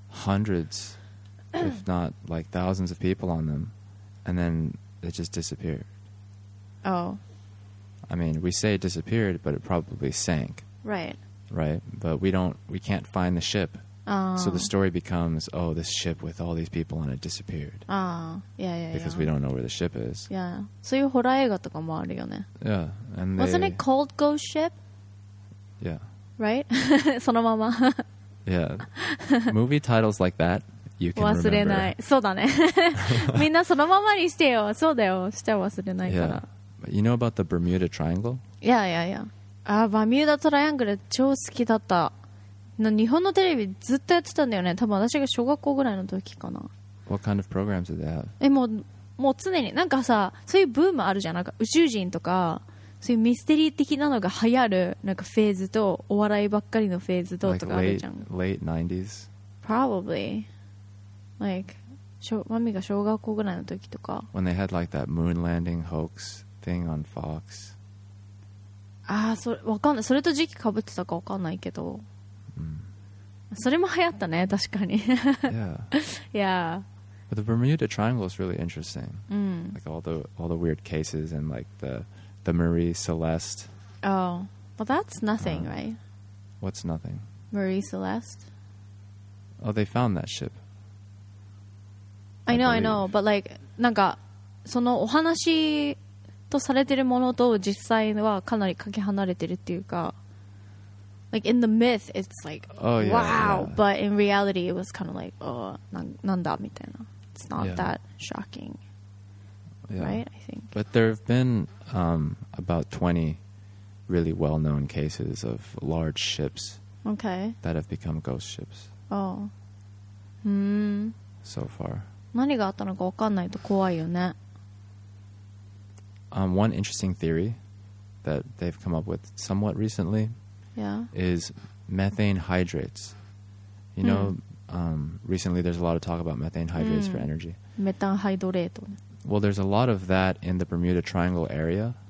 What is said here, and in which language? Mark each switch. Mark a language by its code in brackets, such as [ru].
[en] hundreds, if not like thousands of people on them, and then they just disappeared. Oh. I mean, we say it disappeared, but it probably sank. Right. Right. But we can't find the ship. So the story becomes, oh, this ship with all these people on it disappeared. Because we don't know where the ship is. Yeah. [ja] そういうホラー映画とかもあるよね。 [en] Yeah. And wasn't it called Ghost Ship? Yeah. Right? [ja] そのまま。 [en] Yeah. Movie titles like that, you can [ja] 忘れない。 [en] remember. [ja] そうだね。みんなそのままにしてよ。そうだよ。しちゃ忘れないから。 [en] Yeah. You know about the Bermuda Triangle? Yeah, yeah, yeah. Ah, Bermuda Triangle, [ja] 超好きだった。な、日本のテレビずっとやってたんだよね。多分私が小学校ぐらいの時かな。 [en] What kind of programs did they have? [ja] え、もう常に、なんかさ、そういうブームあるじゃん。なんか宇宙人とか、そういうミステリー的なのが流行る、なんかフェーズと、お笑いばっかりのフェーズととかあるじゃん。 [en] Late 90s? Probably. Like, [ja] マミが小学校ぐらいの時とか。 [en] When they had like that moon landing hoax. Thing on Fox. [ja] ああ、それわかんない。それと時期被ってたかわかんないけど、 mm. それも流行ったね、確かに。 [en] Yeah. Yeah. But the Bermuda Triangle is really interesting.、 Mm. Like all the weird cases and like the Marie Celeste. Oh, well, that's nothing, right? What's nothing? Marie Celeste. Oh, they found that ship. I know, but like, [ja] なんかそのお話。とされてるものと実際はかなりかけ離れてるっていうか [en] like in the myth it's like oh, yeah, yeah. but in reality it was kind of like oh, [ja] なんだみたいな [en] it's not yeah. that shocking yeah. right I think but there have been about 20 really well known cases of large ships okay that have become ghost ships oh so far [ja] 何があったのか分かんないと怖いよね [en] One interesting theory that they've come up with somewhat recently yeah. is methane hydrates. You know, recently there's a lot of talk about methane hydrates for energy. Methane hydrate. Well, there's a lot of that in the Bermuda Triangle area.